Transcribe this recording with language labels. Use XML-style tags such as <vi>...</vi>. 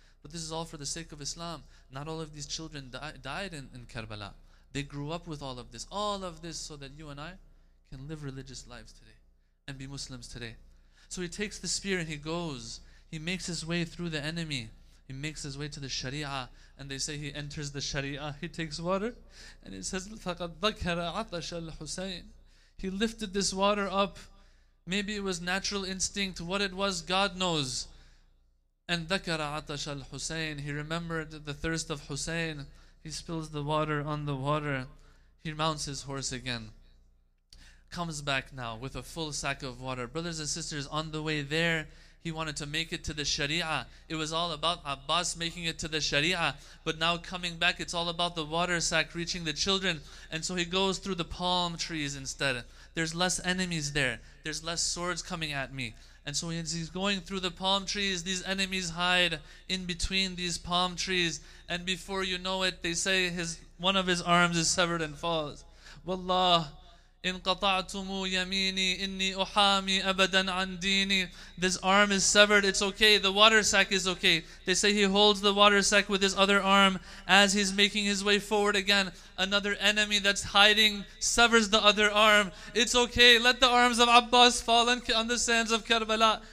<en>But this is all for the sake of Islam. Not all of these children died in Karbala. They grew up with all of this. All of this so that you and I can live religious lives today and be Muslims today. So he takes the spear and he goes. He makes his way through the enemy. He makes his way to the Sharia. And they say he enters the Sharia. He takes water. And it says,</en> <ar>فَقَدْ ذَكَرَ عَطَشَ الْحُسَيْنِ.</ar> <en>He lifted this water up. Maybe it was natural instinct. What it was, God knows. And</en> <ar>ذَكَرَ عَطَشَ الْحُسَيْنِ.</ar> <en>He remembered the thirst of Hussein. He spills the water on the water. He mounts his horse again. Comes back now with a full sack of water. Brothers and sisters, on the way there, he wanted to make it to the Sharia. It was all about Abbas making it to the Sharia. But now coming back, it's all about the water sack reaching the children. And so he goes through the palm trees instead. There's less enemies there. There's less swords coming at me. And so as he's going through the palm trees, these enemies hide in between these palm trees. And before you know it, they say one of his arms is severed and falls.</en> <ar>Wallah. إِن قَطَعْتُمُ يَمِينِي إِنِّي أُحَامِي أَبَدًا عَنْ دِينِي.</ar> <en>This arm is severed, it's okay, the water sack is okay. They say he holds the water sack with his other arm as he's making his way forward again. Another enemy that's hiding severs the other arm. It's okay, let the arms of Abbas fall on the sands of Karbala.</en>